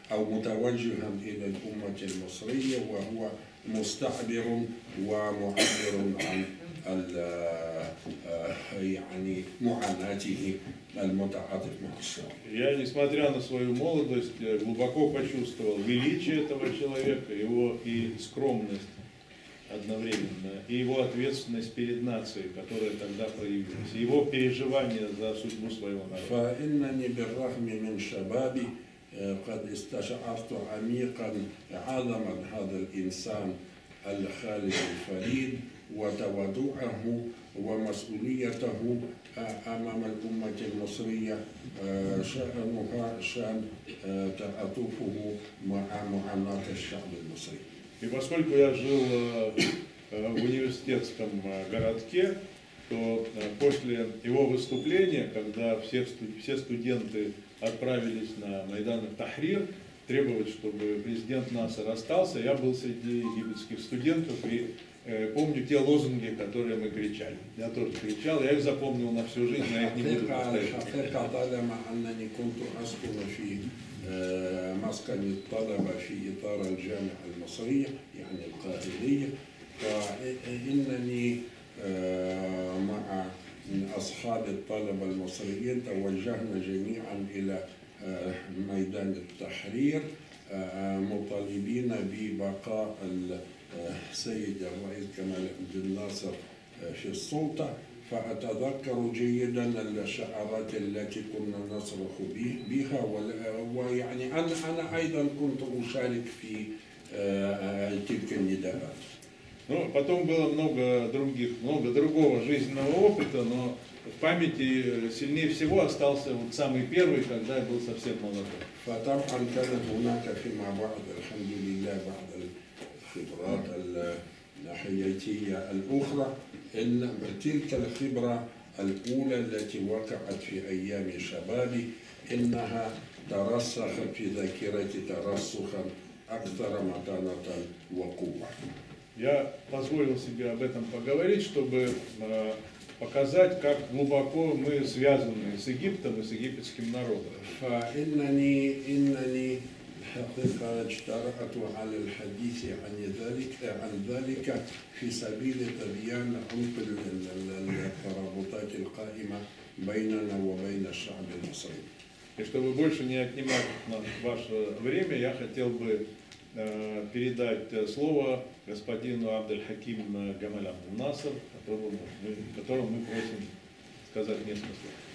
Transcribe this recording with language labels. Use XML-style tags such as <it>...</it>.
<ar>متوجها إلى الأمة المصرية, وهو مستعبر ومعبر عن معاناته المتعاطف مع الشعب.</ar> <ru>Я, несмотря на свою молодость, глубоко почувствовал величие этого человека, его и скромность одновременно, и его ответственность перед нацией, которая тогда проявилась, его переживание за судьбу своего народа.</ru> <ar>فإنني بالرغم من شبابي قد استشعرت عميقا عظمة هذا الإنسان الخالد الفريد وتواضعه ومسؤوليته أمام الأمة المصرية, شأنها شأن تعاطفه مع معاناة الشعب المصري.</ar> <ru>И поскольку я жил в университетском городке, то после его выступления, когда все студенты отправились на Майдан Тахрир требовать, чтобы президент Насер остался, я был среди египетских студентов и помню те лозунги, которые мы кричали. Я тоже кричал, я их запомнил на всю жизнь, но я их не буду повторять.</ru> <ar>مسكن الطلبة في إطار الجامعة المصرية يعني القاهرية, فإنني مع أصحاب الطلبة المصريين توجهنا جميعا إلى ميدان التحرير مطالبين ببقاء السيد الرئيس كمال عبد الناصر في السلطة. فأتذكر جيدا الشعارات التي كنا نصرخ بها, ويعني أنا أيضا كنت أشارك في تلك النداءات.</ar> <ru>Ну, потом было много другого жизненного опыта, но в памяти сильнее всего остался вот самый первый, когда я был совсем молодой.</ru> <ar>فطبعا كانت هناك فيما بعد الحمد لله بعض الخبرات الحياتية الأخرى. إن تلك الخبرة الأولى التي وقعت في أيام شبابي إنها ترسخت في ذاكرتي ترسخا أكثر متانة وقوة.</ar> <ru>Я позволил себе об этом поговорить, чтобы показать, как глубоко мы связаны с Египтом и с египетским народом.</ru> <ar>فإنني حقيقة اجترأت على الحديث عن ذلك في سبيل تبيان عمق الترابطات القائمة بيننا وبين الشعب المصري.</ar> <ru>И чтобы больше не отнимать ваше время, я хотел бы передать слово господину Абдель-Хаким Гамаль Абдель-Наср, которому мы просим сказать несколько слов.</ru>